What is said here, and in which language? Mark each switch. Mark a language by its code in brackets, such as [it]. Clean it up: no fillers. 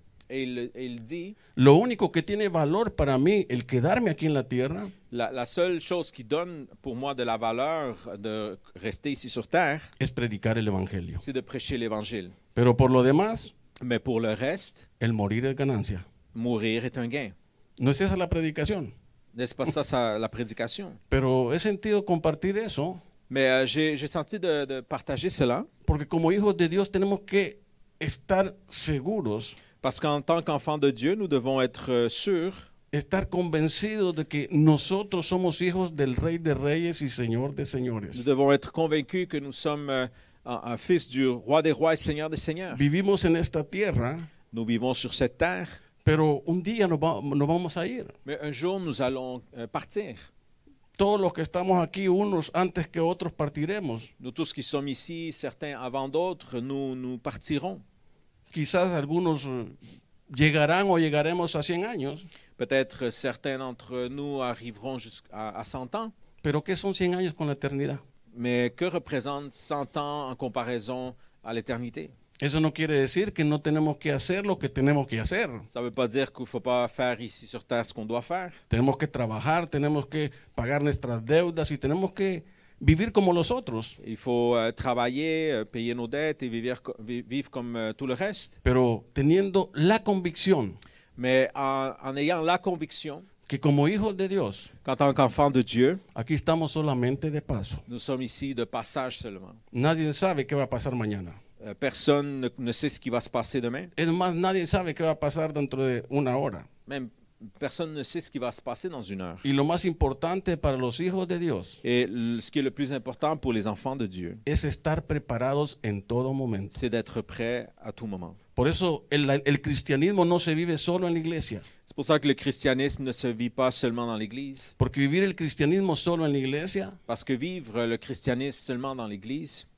[fr] Et il dit, [es] lo único que tiene valor para mí, el quedarme aquí en la tierra, [fr] la seule chose qui donne pour moi de la valeur de rester ici sur terre, [es] es predicar el evangelio. [fr] C'est de prêcher l'évangile. [es] Pero por lo demás, [fr] mais pour le reste, [es] el morir es ganancia. [fr] Mourir est un gain. [es] ¿No es esa la predicación? [fr] N'est-ce pas ça la prédication? [es] Pero he sentido compartir eso. [fr] Mais j'ai senti de partager cela. [es] Porque como hijos de Dios tenemos que estar seguros. [fr] Parce qu'en tant qu'enfants de Dieu, nous devons être sûrs. [es] Estar convencidos de que nosotros somos hijos del Rey de Reyes y Señor de Señores. [fr] Nous devons être convaincus que nous sommes un fils du Roi des Rois et Seigneur des Seigneurs. [es] Vivimos en esta tierra. [fr] Nous vivons sur cette terre. [es] Pero un día nos vamos a ir. [fr] Mais un jour, nous allons partir. [es] Todos los que estamos aquí, unos antes que otros partiremos. [fr] Nous tous qui sommes ici, certains avant d'autres, nous partirons. [es] Quizás algunos llegarán o llegaremos a 100 años. [fr] Peut-être certains d'entre nous arriveront jusqu'à 100 ans. [es] Pero ¿qué son 100 años con la eternidad? [fr] Mais que représente 100 ans en comparaison à l'éternité? [es] Eso no quiere decir que no tenemos que hacer lo que tenemos que hacer. [fr] Ça veut pas dire qu'il faut pas faire ici sur terre ce qu'on doit faire. [es] Tenemos que trabajar, tenemos que pagar nuestras deudas y tenemos que vivir como los otros. [fr] Il faut travailler, payer nos dettes et vivre comme tout le reste. [es] Pero teniendo la convicción. [fr] Mais en ayant la conviction. [es] Que como hijos de Dios. [fr] Qu'en tant qu'enfant de Dieu. [es] Aquí estamos solamente de paso. [fr] Nous sommes ici de passage seulement. [es] Nadie sabe qué va a pasar mañana. [fr] Personne ne sait ce qui va se passer demain. [es] Et más, nadie sabe qué va a pasar dentro de una hora. [fr] Même personne ne sait ce qui va se passer dans une heure. [es] Y lo más importante para los hijos de Dios. [fr] Et ce qui est le plus important pour les enfants de Dieu. [es] Es estar preparados en todo momento. [fr] C'est d'être prêt à tout moment. [es] Por eso el cristianismo no se vive solo en la iglesia. [fr] C'est pour ça que le christianisme ne se vit pas seulement dans l'église. [es] Porque vivir el cristianismo solo en la iglesia. [fr] Parce que vivre le christianisme seulement dans l'église.